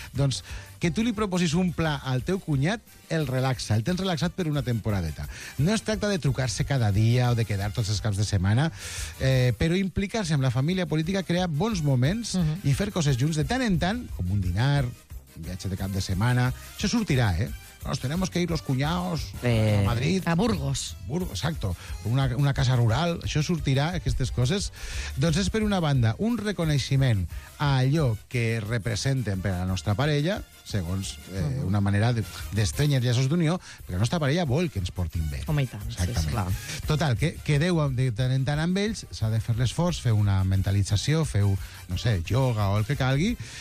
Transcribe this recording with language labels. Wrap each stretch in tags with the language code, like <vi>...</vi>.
<ca>Doncs que tu li proposis un pla al teu cunyat, el relaxa. El tens relaxat per una temporadeta. No es tracta de trucar-se cada dia o de quedar tots els caps de setmana, però implicar-se amb la família política crea bons moments i fer coses junts de tant en tant, com un dinar, un viatge de cap de setmana... Això sortirà, eh?</ca> <es>Nos tenemos que ir los cuñados a Madrid. A Burgos. Burgos, exacto. Una casa rural.</es> <ca>Això sortirà, aquestes coses. Doncs és, per una banda, un reconeixement a allò que representen per a la nostra parella, segons una manera d'estrenyar llaços d'unió, però la nostra parella vol que ens portin bé. Home, i tant. Exactament. Sí, clar. Total, que quedeu de tant en tant amb ells, s'ha de fer l'esforç, feu una mentalització, feu, no sé, ioga o el que calgui.</ca>